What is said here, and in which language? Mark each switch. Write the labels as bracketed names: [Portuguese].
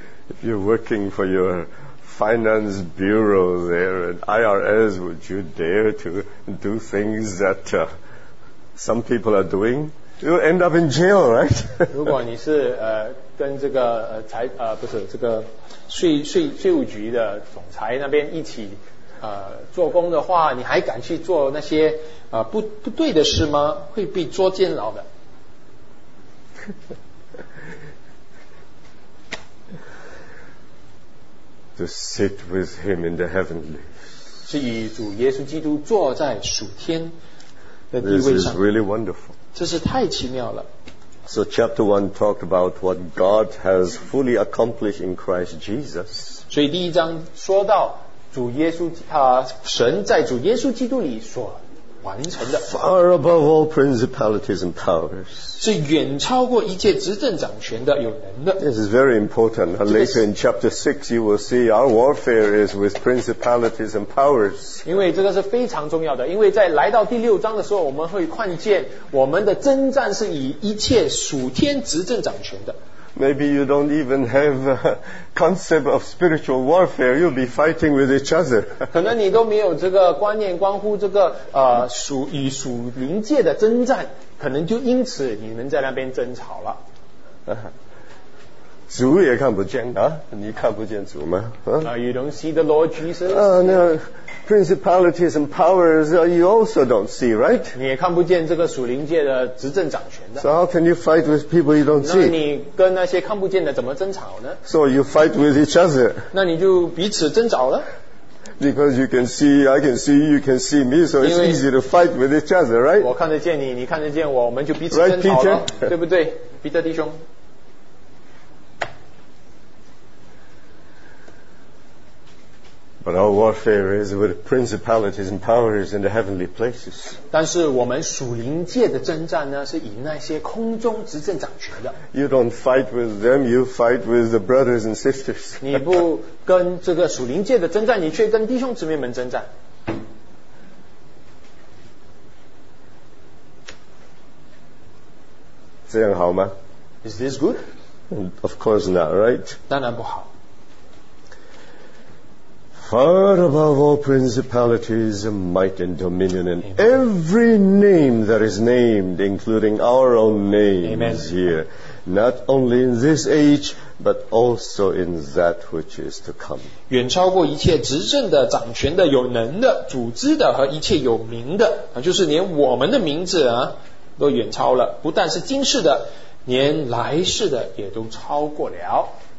[English] If you're working for your finance bureau there at IRS, would you dare to do things that some people are doing? You end up in jail, right? [Chinese] 如果你是跟这个财不是这个税务局的总裁那边一起做工的话，你还敢去做那些不对的事吗？会被捉监牢的。 [English] To sit with him in the heavenly. [Chinese] 是与主耶稣基督坐在属天的地位上。 [English] This is really wonderful. [Chinese] 这是太奇妙了。 [English] So chapter 1 talked about what God has fully accomplished in Christ Jesus. [Chinese] 所以第一章说到主耶稣神在主耶稣基督里所完成的 [English] far above all principalities and powers [Chinese] 是远超过一切执政掌权的有能的。 [English] This is very important. Later in chapter 6 you will see our warfare is with principalities and powers. [Chinese] 因为这个是非常重要的，因为在来到第六章的时候，我们会看见我们的征战是以一切属天执政掌权的。 [English] Maybe you don't even have a concept of spiritual warfare. You'll be fighting with each other. [Chinese] 可能你都没有这个观念，关乎这个与属灵界的征战，可能就因此你们在那边争吵了。主也看不见啊？你看不见主吗？ [English] You don't see the Lord Jesus. No, principalities and powers, you also don't see, right? [Chinese] 你也看不见这个属灵界的执政掌权的。 [English] So how can you fight with people you don't see? [Chinese] 那你跟那些看不见的怎么争吵呢？ [English] So you fight with each other. [Chinese] 那你就彼此争吵了。 [English] Because you can see, I can see, you can see me, so it's easy to fight with each other, right? [Chinese] 我看得见你，你看得见我，我们就彼此争吵了。 [English] Right, [Chinese] 对不对，彼得弟兄？ [English] But our warfare is with principalities and powers in the heavenly places. [Chinese] 但是我们属灵界的征战呢，是以那些空中执政掌权的。 [English] You don't fight with them, you fight with the brothers and sisters. [Chinese] 你不跟这个属灵界的征战，你却跟弟兄姊妹们征战。这样好吗？ [English] Is this good? Of course not, right? [Chinese] 当然不好。 [English] Far above all principalities, might and dominion, and every name that is named, including our own names here, not only in this age, but also in that which is to come. [Chinese] 远超过一切执政的、掌权的、有能的、组织的和一切有名的，就是连我们的名字啊，都远超了。不但是今世的，连来世的也都超过了。